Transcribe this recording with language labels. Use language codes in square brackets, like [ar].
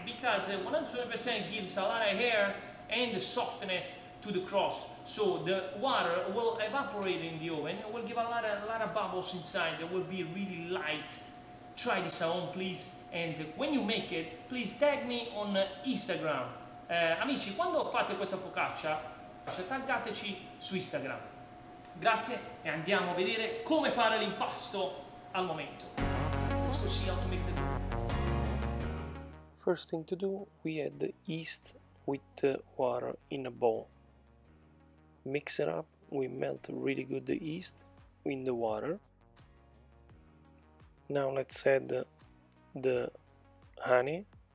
[en] Because 120% gives a lot of air and softness to the crust, so the water will evaporate in the oven and will give a lot of bubbles inside that will be really light. Try this at home, please, and when you make it, please tag me on Instagram. [it] Amici, quando fate questa focaccia, taggateci su Instagram. Grazie e andiamo a vedere come fare l'impasto al momento. [en] Let's go see how to make the dough. First thing to do, we add the yeast with the water in a bowl. Mix it up, we melt really good the yeast in the water. Now let's add the honey.